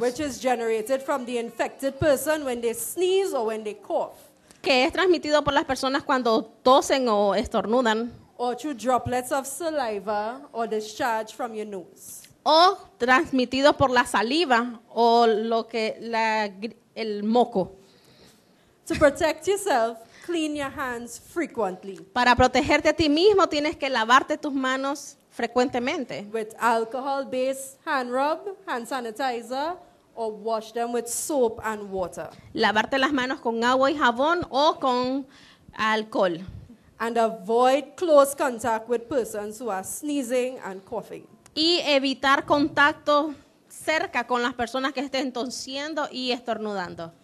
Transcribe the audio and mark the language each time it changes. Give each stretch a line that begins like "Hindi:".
English: Which is generated from the infected person when they sneeze or when they cough.
Spanish: Que es transmitido por las personas cuando tosen o estornudan.
English: Or through droplets of saliva or discharge from your nose.
Spanish: O transmitido por la saliva o lo que el moco.
English: To protect yourself, clean your hands frequently.
Spanish: Para protegerte a ti mismo tienes que lavarte tus manos frecuentemente.
English: With alcohol-based hand rub, hand sanitizer, or wash them with soap and water.
Spanish: Lavarte las manos con agua y jabón o con alcohol.
English: And avoid close contact with persons who are sneezing and coughing.
Spanish: Y evitar contacto cerca con las personas que estén tosiendo y estornudando.